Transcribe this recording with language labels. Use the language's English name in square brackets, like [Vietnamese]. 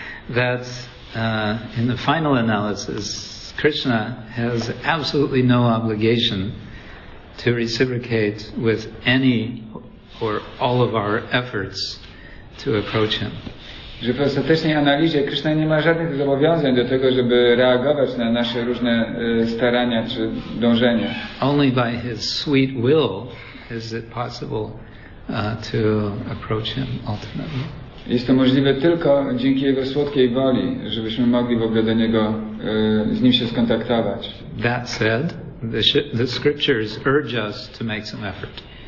[English] that in the final analysis, Krishna has absolutely no obligation to reciprocate with any or all of our efforts to approach him. [Polish] Że w ostatecznej analizie Krishna nie ma żadnych zobowiązań do tego, żeby reagować na nasze różne starania czy dążenia. [English] Only by his sweet will is it possible to approach him ultimately. [Polish] Jest to możliwe tylko dzięki jego słodkiej woli, żebyśmy mogli w ogóle do niego z nim się skontaktować. [English] That said, the scriptures urge us to make some effort.